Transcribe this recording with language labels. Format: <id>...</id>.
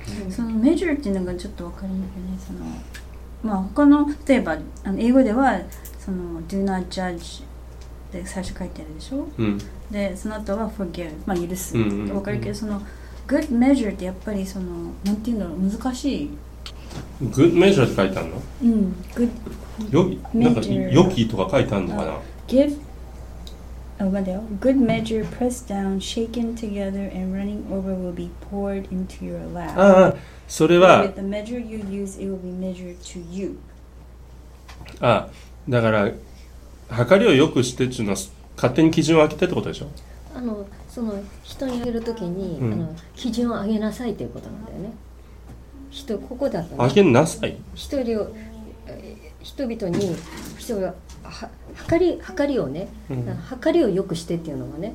<ja>そのメジューっていうのがちょっと分かるんだけどね、その、まあ、他の例えば英語ではその</ja> <en>Do not judge</en> <ja>で最初書いてあるでしょ、うん、でその後は forgive、まあ、許すって分かるけど、うんうんうん、その</ja> <en>good measure</en> <ja>ってやっぱりそのなんていうんだろう、難しい。 Good measure って書いてあるの？うん、</ja> <en>good measure。</en> <ja>なんか良きとか書いてあるのかな？</ja> <en>Give、</en> <ja>あ、待てよ。</ja> <en>Good measure pressed down, shaken together and running over will be poured into your lap。</en> <ja>ああ、それは</ja> <en>With the measure you use, it will be measured to you。</en> <ja>あ、だから測りを良くしてっていうのは勝手に基準を開けてってことでしょ？その人にあげるときに、うん、基準を上げなさいっていうことなんだよね。人ここだと、ね、上げなさい、人々に人がは測りをね、うん、測りを良くしてっていうのがね、</ja>